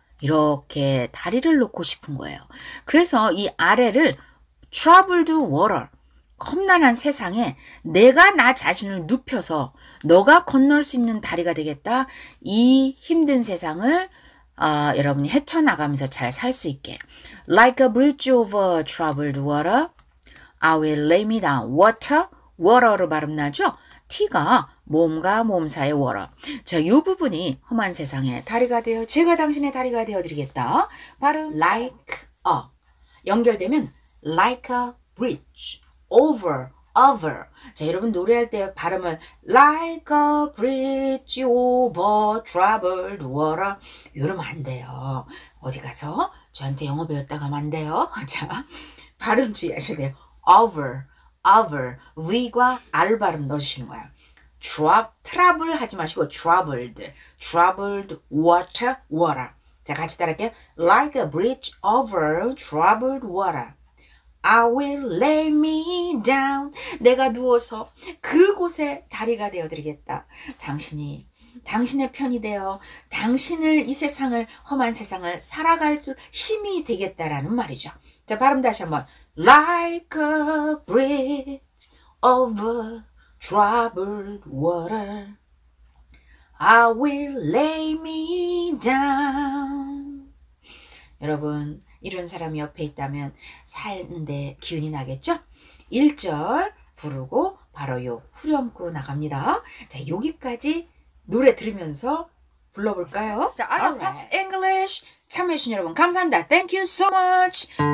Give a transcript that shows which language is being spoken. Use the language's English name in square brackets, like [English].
[Korean] 이렇게 다리를 놓고 싶은 거예요. 그래서 이 아래를 [English] troubled water, [Korean] 험난한 세상에 내가 나 자신을 눕혀서 너가 건널 수 있는 다리가 되겠다. 이 힘든 세상을 여러분이 헤쳐나가면서 잘 살 수 있게. [English] Like a bridge over troubled water, I will lay me down. Water, water [Korean] 로 발음 나죠? T가 몸과 몸 사이의 water. 자, 이 부분이 험한 세상에 다리가 되어 제가 당신의 다리가 되어드리겠다. 발음 like a 연결되면 [English] like a bridge over over. [Korean] 자, 여러분 노래할 때 발음은 [English] like a bridge over troubled water [Korean] 이러면 안 돼요. 어디 가서 저한테 영어 배웠다가 하면 안 돼요. 자, 발음 주의하셔야 돼요. Over, over, V과 R 발음 넣으시는 거예요. Trouble 하지 마시고 [English] troubled, troubled water, water. [Korean] 자, 같이 따라할게요. [English] Like a bridge over troubled water. I will lay me down. [Korean] 내가 누워서 그곳에 다리가 되어드리겠다. 당신의 편이 되어 당신을 이 세상을 험한 세상을 살아갈 줄 힘이 되겠다라는 말이죠. 자, 발음 다시 한번. [English] Like a bridge over troubled water, I will lay me down. [Korean] 여러분, 이런 사람이 옆에 있다면 살는데 기운이 나겠죠? 1절 부르고 바로 요 후렴구 나갑니다. 자, 여기까지 노래 들으면서 불러볼까요? 자, [English] I love Pops English. [Korean] 참여해주신 여러분 감사합니다. [English] Thank you so much.